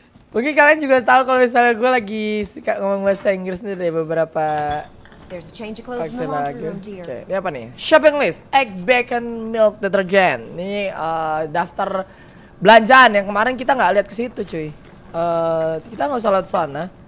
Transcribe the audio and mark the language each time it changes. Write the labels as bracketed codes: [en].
[id] Mungkin kalian juga tahu kalau misalnya gue lagi suka ngomong bahasa Inggris nih dari beberapa... [en] There's a change of clothes in the laundry room, dear. Okay. [id] Ini apa nih? Shopping list, egg, bacon, milk, deterjen. Ini daftar belanjaan yang kemarin kita nggak lihat ke situ, cuy. Kita nggak usah lihat sana.